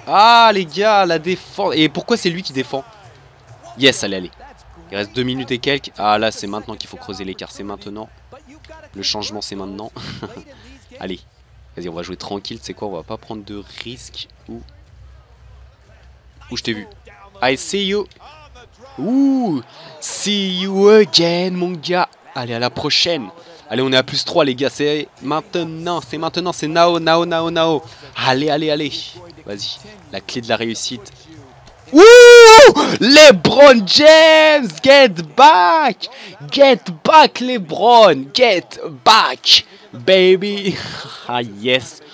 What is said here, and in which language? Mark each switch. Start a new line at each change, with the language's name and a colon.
French: Ah, les gars, la défense. Et pourquoi c'est lui qui défend? Yes, allez, allez. Il reste 2 minutes et quelques. Ah là, c'est maintenant qu'il faut creuser l'écart. C'est maintenant. Le changement, c'est maintenant. Allez. Vas-y, on va jouer tranquille. Tu sais quoi, on va pas prendre de risques. Ouh, je t'ai vu.
English: I see you. Ouh, see you again,
French: mon gars. Allez, à la prochaine. Allez, on est à plus 3, les gars. C'est maintenant. C'est maintenant. C'est now. Allez. Vas-y. La clé de la réussite. Ouh.
English: LeBron James, get back! Get back, LeBron! Get back, baby! Ah, yes!